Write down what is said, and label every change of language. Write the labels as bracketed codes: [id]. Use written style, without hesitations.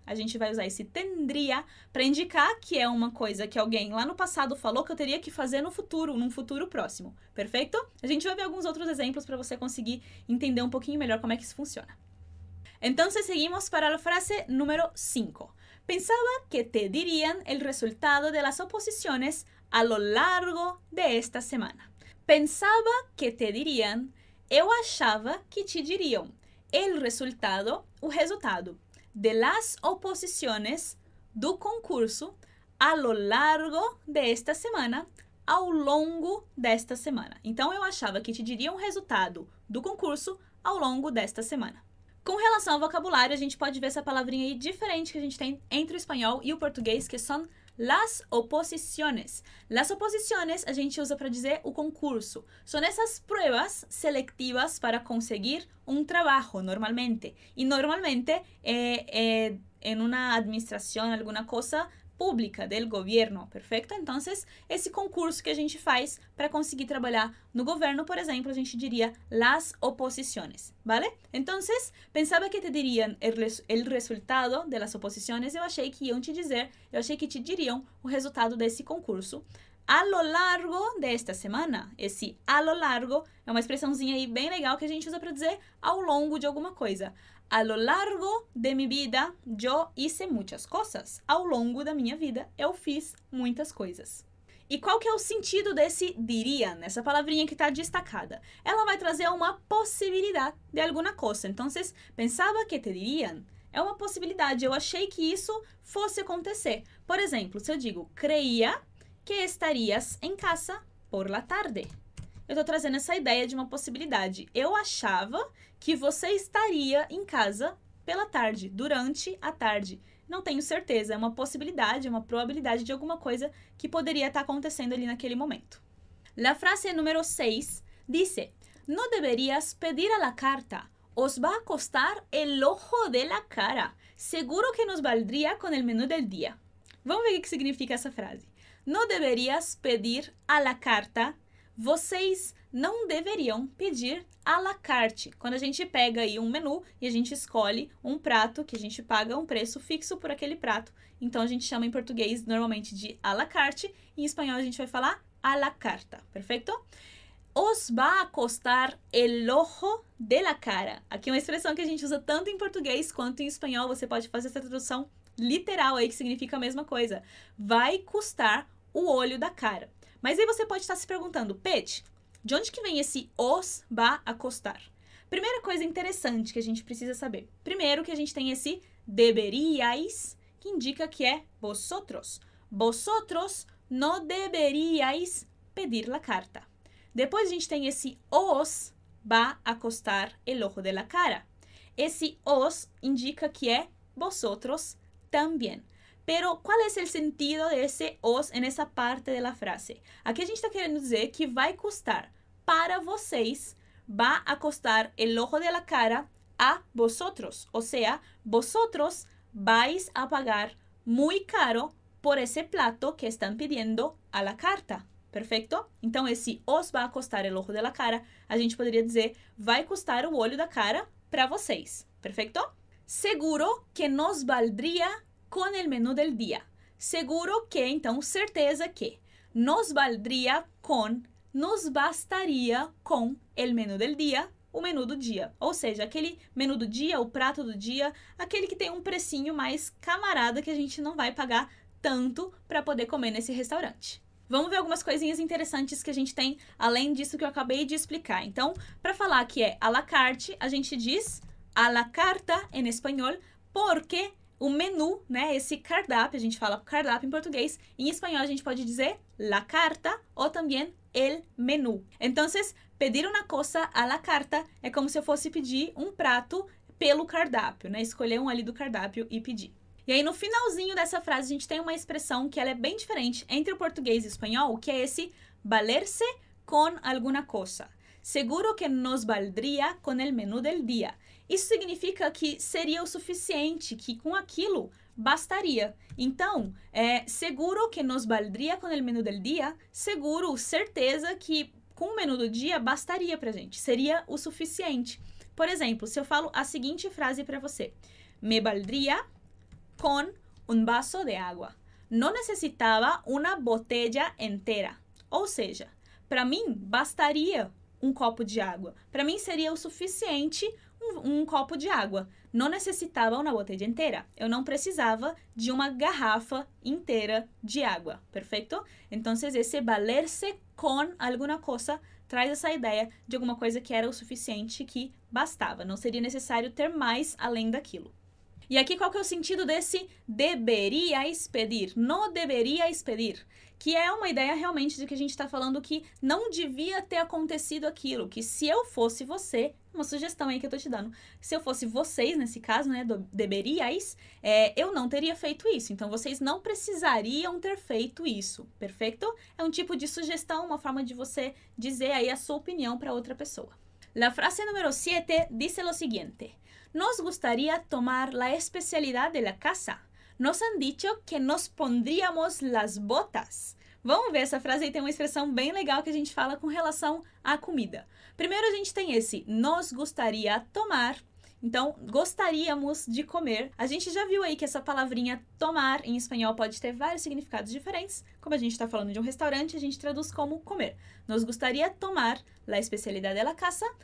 [pt] A gente vai usar esse tendría para indicar que é uma coisa que alguém lá no passado falou que eu teria que fazer no futuro, num futuro próximo. Perfeito? A gente vai ver alguns outros exemplos para você conseguir entender um pouquinho melhor como é que isso funciona. Então, seguimos para a frase número 5. [es] Pensaba que te dirían el resultado de las oposiciones a lo largo de esta semana. Pensaba que te dirían, [pt] eu achava que te diriam, [es] el resultado, [pt] o resultado, [es] de las oposiciones [pt] do concurso [es] a lo largo de esta semana, [pt] ao longo desta semana. Então, eu achava que te diriam o resultado do concurso ao longo desta semana. Com relação ao vocabulário, a gente pode ver essa palavrinha aí diferente que a gente tem entre o espanhol e o português, que são las oposiciones. Las oposiciones a gente usa para dizer o concurso. São essas pruebas selectivas para conseguir um trabalho, normalmente. E normalmente, em uma administração, alguma coisa pública, del governo, perfeito? Então, esse concurso que a gente faz para conseguir trabalhar no governo, por exemplo, a gente diria las oposiciones, vale? Então, pensava [es] que te dirían el resultado de las oposiciones, [pt] eu achei que te diriam o resultado desse concurso [es] a lo largo [pt] desta semana. Esse a lo largo é uma expressãozinha aí bem legal que a gente usa para dizer ao longo de alguma coisa. [es] A lo largo de mi vida, yo hice muchas cosas. [pt] Ao longo da minha vida, eu fiz muitas coisas. E qual que é o sentido desse diria, nessa palavrinha que está destacada? Ela vai trazer uma possibilidade de alguma coisa. Então, vocês pensavam que te diriam? É uma possibilidade. Eu achei que isso fosse acontecer. Por exemplo, se eu digo [es] creia que estarias em casa por la tarde. [pt] Eu estou trazendo essa ideia de uma possibilidade. Eu achava que você estaria em casa pela tarde, durante a tarde. Não tenho certeza, é uma possibilidade, é uma probabilidade de alguma coisa que poderia estar acontecendo ali naquele momento. [es] La frase número 6 dice: No deberías pedir a la carta. Os va a costar el ojo de la cara. Seguro que nos valdría con el menú del día. [pt] Vamos ver o que significa essa frase. [es] No deberías pedir a la carta. [pt] Vocês não deveriam pedir à la carte. Quando a gente pega aí um menu e a gente escolhe um prato que a gente paga um preço fixo por aquele prato. Então a gente chama em português normalmente de à la carte, em espanhol a gente vai falar à la carta, perfeito? [es] Os va a costar el ojo de la cara. [pt] Aqui é uma expressão que a gente usa tanto em português quanto em espanhol, você pode fazer essa tradução literal aí que significa a mesma coisa. Vai custar o olho da cara. Mas aí você pode estar se perguntando, Pet, de onde que vem esse [es] os va a costar? [pt] Primeira coisa interessante que a gente precisa saber. Primeiro que a gente tem esse deberíais, que indica que é vosotros. [es] Vosotros no deberíais pedir la carta. [pt] Depois a gente tem esse [es] os va a costar el ojo de la cara. [pt] Esse os indica que é vosotros también. [es] Pero, ¿cuál es el sentido de ese os en esa parte de la frase? [pt] Aquí a gente está querendo dizer que vai custar para vocês, [es] va a costar el ojo de la cara a vosotros. O sea, vosotros vais a pagar muy caro por ese plato que están pidiendo a la carta. Perfecto? [pt] Então, esse [es] os va a costar el ojo de la cara, [pt] a gente poderia dizer vai custar o olho da cara para vocês. [es] Perfecto? Seguro que nos valdría con el menú del día. [pt] Seguro que, então, certeza que. [es] Nos valdría con, nos bastaría con el menú del día, [pt] o menu do dia. Ou seja, aquele menu do dia, o prato do dia, aquele que tem um precinho mais camarada que a gente não vai pagar tanto para poder comer nesse restaurante. Vamos ver algumas coisinhas interessantes que a gente tem além disso que eu acabei de explicar. Então, para falar que é à la carte, a gente diz à la carta em espanhol, porque o menu, né? Esse cardápio, a gente fala cardápio em português. Em espanhol, a gente pode dizer la carta ou também el menú. Então, [es] pedir una cosa a la carta [pt] é como se eu fosse pedir um prato pelo cardápio, né? Escolher um ali do cardápio e pedir. E aí, no finalzinho dessa frase, a gente tem uma expressão que ela é bem diferente entre o português e o espanhol, que é esse [es] valerse con alguna cosa. Seguro que nos valdría con el menú del día. [pt] Isso significa que seria o suficiente, que com aquilo bastaria. Então, [es] seguro que nos valdría con el menú del día, [pt] seguro, certeza que com o menu do dia bastaria pra gente, seria o suficiente. Por exemplo, se eu falo a seguinte frase para você: [es] Me valdría con un vaso de agua. No necesitaba una botella entera. [pt] Ou seja, para mim bastaria um copo de água. Para mim seria o suficiente um copo de água. [es] No necesitaba una botella entera. [pt] Eu não precisava de uma garrafa inteira de água. Perfeito? Então, esse [es] valerse con alguna cosa [pt] traz essa ideia de alguma coisa que era o suficiente, que bastava. Não seria necessário ter mais além daquilo. E aqui, qual que é o sentido desse deberíais pedir? [es] No deberíais pedir. [pt] Que é uma ideia realmente de que a gente está falando que não devia ter acontecido aquilo. Que se eu fosse você, uma sugestão aí que eu estou te dando. Se eu fosse vocês, nesse caso, né, deberíais, eu não teria feito isso. Então, vocês não precisariam ter feito isso. Perfeito? É um tipo de sugestão, uma forma de você dizer aí a sua opinião para outra pessoa. [es] La frase número 7 dice lo siguiente. Nos gustaría tomar la especialidad de la casa. Nos han dicho que nos pondríamos las botas. [pt] Vamos ver, essa frase aí tem uma expressão bem legal que a gente fala com relação à comida. Primeiro a gente tem esse [es] nos gustaría tomar. [pt] Então, gostaríamos de comer. A gente já viu aí que essa palavrinha tomar em espanhol pode ter vários significados diferentes. Como a gente está falando de um restaurante, a gente traduz como comer. [es] Nos gustaría tomar la especialidad de la casa.